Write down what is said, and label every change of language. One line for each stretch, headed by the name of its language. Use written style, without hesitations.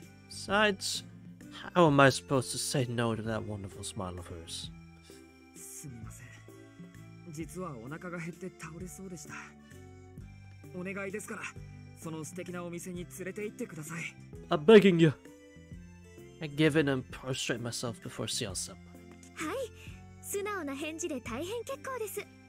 English: Besides, how am I supposed to say no to that wonderful smile of hers?
Japanese: 実はお腹が減って倒れそうでした。お願いですから、その素敵なお店に連れて行ってください。
English: I'm begging you. I give in and prostrate myself before Sion-sen.
Japanese: はい、素直な返事で大変結構です。